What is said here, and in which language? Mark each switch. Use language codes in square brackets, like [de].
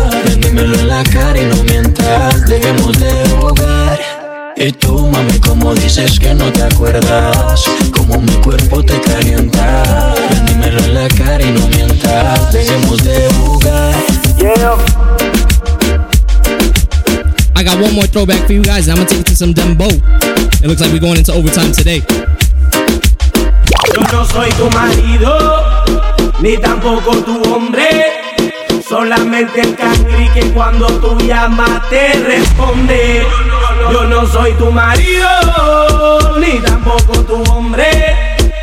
[es] Prendímelo en la cara y no mientas, dejemos de jugar. Y tú, mami, ¿cómo dices que no te acuerdas? Cómo mi cuerpo te calienta. Prendímelo en la cara y no mientas, dejemos de jugar. [en] Yeah. I got one more throwback for you guys, and I'm gonna take it to some dembo. It looks like we're going into overtime today. [es] Yo no soy tu marido, ni tampoco tu hombre. Solamente el cangri que cuando tú llamas te responde. Yo no soy tu marido, ni tampoco tu hombre.